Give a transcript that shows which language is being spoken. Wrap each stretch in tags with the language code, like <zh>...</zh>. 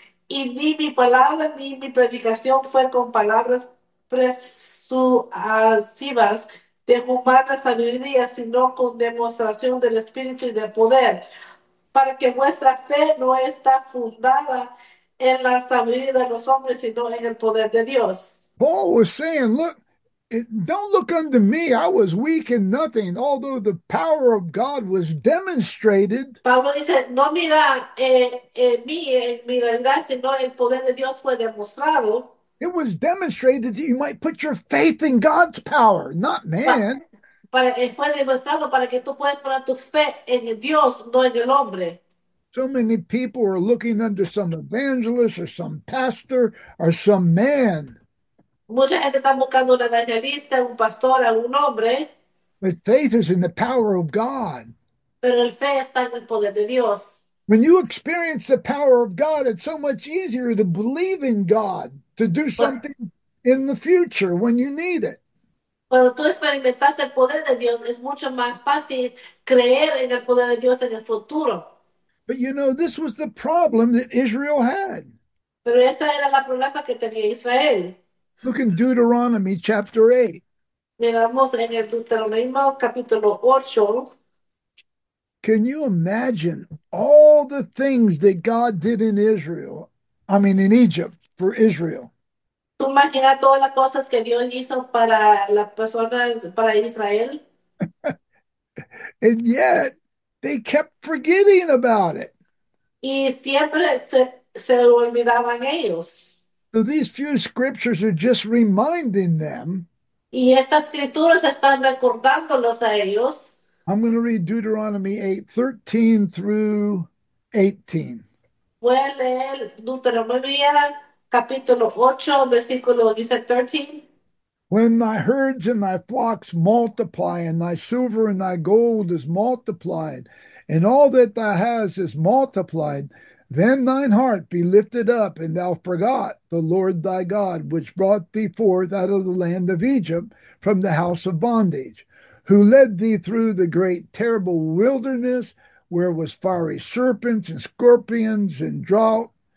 <es>Y ni mi palabra ni mi predicación fue con palabras persuasivas de humana sabiduría, sino con demostración del Espíritu y del poder, para que vuestra fe no está fundada en la sabiduría de los hombres, sino en el poder de Dios.</es> <en>Paul was saying, look, don't look unto me. I was weak in nothing, although the power of God was demonstrated.</en> <es>Pablo dice, no mira en mí, en mi realidad, sino el poder de Dios fue demostrado.</es> <en>It was demonstrated that you might put your faith in God's power, not man.</en> <es>Fue demostrado para que tú puedas poner tu fe en Dios, no en el hombre.</es> <en>So many people are looking under some evangelist or some pastor or some man.</en> <es>Mucha gente está buscando una evangelista, un pastor, algún hombre,</es> <en>But faith is in the power of God.</en> <es>pero el fe está en el poder de Dios.</es> <en>When you experience the power of God, it's so much easier to believe in God to do something in the future when you need it.</en> <es>Cuando tú experimentas el poder de Dios, es mucho más fácil creer en el poder de Dios en el futuro.</es> <en>But you know, this was the problem that Israel had.</en> <es>Pero esta era la problema que tenía Israel.</es> <en>Look in Deuteronomy chapter 8.</en> <es>Miramos en el Deuteronomio capítulo 8.</es> <en>Can you imagine all the things that God did in Israel? I mean, in Egypt for Israel.</en> <es>¿Tú imaginas todas las cosas que Dios hizo para las personas, para Israel?</es> <en>And yet, they kept forgetting about it.</en> <es>Y siempre se olvidaban ellos.</es> <en>So these few scriptures are just reminding them.</en> <es>Y estas escrituras están recordándolos a ellos.</es> <en>I'm going to read Deuteronomy 8, 13 through 18.</en> <es>Voy a leer Deuteronomio capítulo 8, versículo, dice 13.</es> <en>When thy herds and thy flocks multiply, and thy silver and thy gold is multiplied, and all that thou hast is multiplied, then thine heart be lifted up, and thou forgot the Lord thy God, which brought thee forth out of the land of Egypt from the house of bondage, who led thee through the great terrible wilderness, where was fiery serpents and scorpions and drought,</en>